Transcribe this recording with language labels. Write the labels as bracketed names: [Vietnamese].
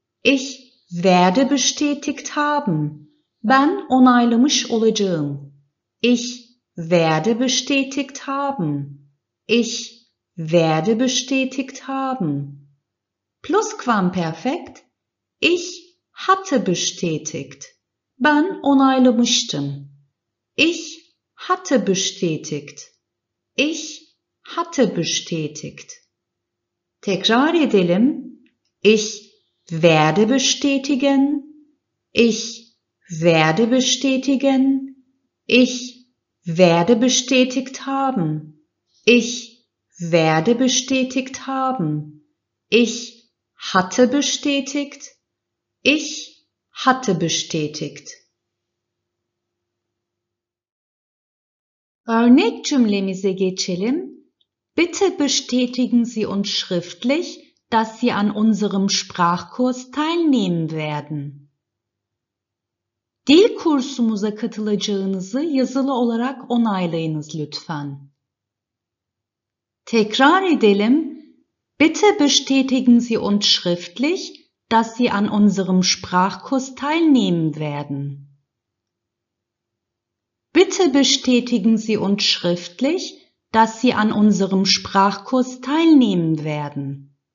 [German] Ich werde bestätigt haben. [Turkish] Ben onaylamış olacağım. [German] Ich werde bestätigt haben. Ich werde bestätigt haben. Plusquamperfekt. Ich hatte bestätigt. [Turkish] Ben onaylamıştım. [German] Ich hatte bestätigt. Ich hatte bestätigt. [Turkish] Tekrar edelim. [German] Ich werde bestätigen. Ich werde bestätigen. Ich werde bestätigt haben. Ich werde bestätigt haben. Ich hatte bestätigt. Ich hatte bestätigt. [Turkish] Örnek cümlemize geçelim. [German] Bitte bestätigen Sie uns schriftlich, dass Sie an unserem Sprachkurs teilnehmen werden. [Turkish] Dil kursumuza katılacağınızı yazılı olarak onaylayınız lütfen. Tekrar edelim. [German] Bitte bestätigen Sie uns schriftlich, dass Sie an unserem Sprachkurs teilnehmen werden. Bitte bestätigen Sie uns schriftlich, dass Sie an unserem Sprachkurs teilnehmen werden.